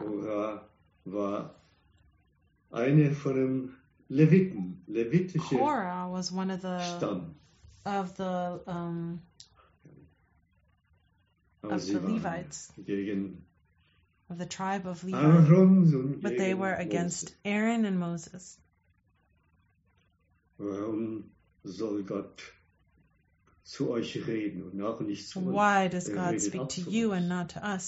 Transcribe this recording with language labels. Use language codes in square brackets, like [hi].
[de] Korah war eine von den Leviten, levitische [en] Korah was one of the [de] Stamm. [en] Of the of the Levites, of the tribe of Levi, but they were against Aaron and Moses. [de] Warum soll Gott zu euch reden und auch nicht zu uns? [en] Why does God speak to you and not to us?